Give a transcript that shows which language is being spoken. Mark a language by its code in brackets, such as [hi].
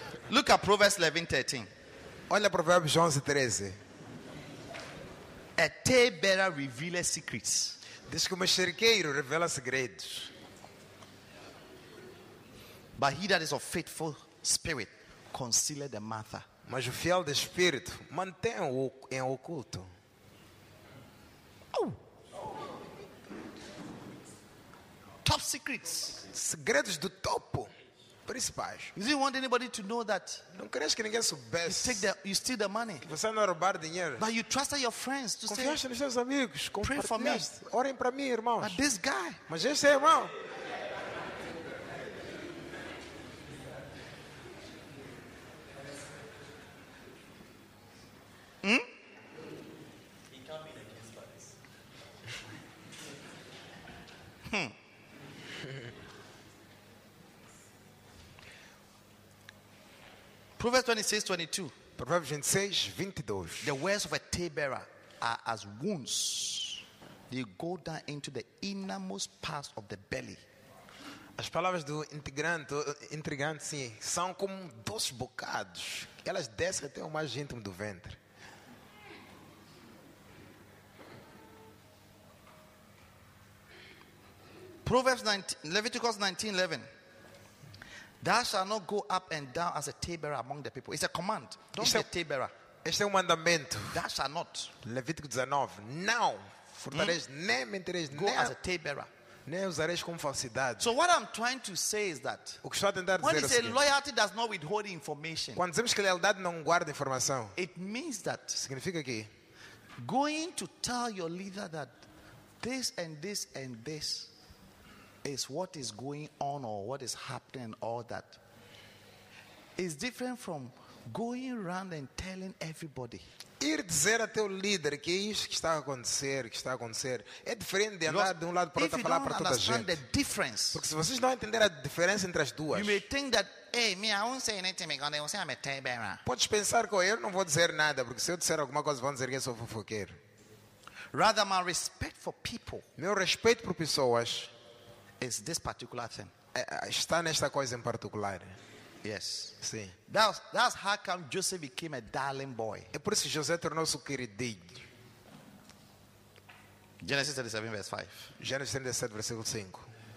[en] Look at Proverbs 11:13. [pt] Olha Provérbios 11:13. [en] A tale-bearer reveals secrets. [pt] Diz que o mexeriqueiro revela segredos. [en] But he that is of faithful spirit conceals the matter. [pt] Mas o fiel de espírito mantém o em oculto. Oh. [en] Top secrets. [pt] Segredos do topo. Principais. [en] You don't want anybody to know that. [pt] Não queres que ninguém soubesse. [en] You steal the money. [pt] Você não roubar dinheiro. [en] But you trust your friends to [pt] confiaste [en] say. [pt] Confiaste nos seus amigos. [en] Pray for me. [pt] Orem para mim, irmãos. [en] But this guy. [pt] Mas esse é irmão. Hmm? [en] He can't be the case for this. Proverbs 26:22. Proverbs 26:22. The words of a tale bearer are as wounds. They go down into the innermost parts of the belly. As palavras do intrigante, sim, são como dois bocados. Elas descem até o mais íntimo do ventre. Proverbs 19, Leviticus 19:11. Thou shalt not go up and down as a tale-bearer among the people. It's a command. Don't be a tale-bearer. [pt] Este é um mandamento. [en] Thou shalt not. [pt] Levítico 19. Não. Furtareis, nem mentireis, [en] go [pt] nem [en] as a tale-bearer. [pt] Nem usareis com falsidade. [en] So what I'm trying to say is that [pt] o que estou a tentar dizer [en] when it's a loyalty does not withhold information. [pt] Quando dizemos que lealdade não guarda informação. [en] It means that [pt] significa que [en] going to tell your leader that this and this and this is what is going on or what is happening, all that is different from going around and telling everybody. [pt] Ir dizer a teu líder que é isso que está a acontecer, que está a acontecer, é diferente de andar de um lado para o outro a falar para toda a gente. [en] Difference, [pt] porque se vocês não entenderem a diferença entre as duas, [en] you may think that, hey, me, I won't say anything because they will say I'm a tale bearer. [pt] Podes pensar que eu não vou dizer nada, porque se eu disser alguma coisa, vão dizer que eu sou fofoqueiro. [en] Rather, my respect for people. [pt] Meu respeito por pessoas. [en] Is this particular thing? [pt] Está nesta coisa em particular. [en] Yes. [pt] Sim. [en] That's how come Joseph became a darling boy. [pt] É por isso que José tornou-se o queridinho. [en] Genesis 37, verse 5. [pt] Genesis 37, versículo 5.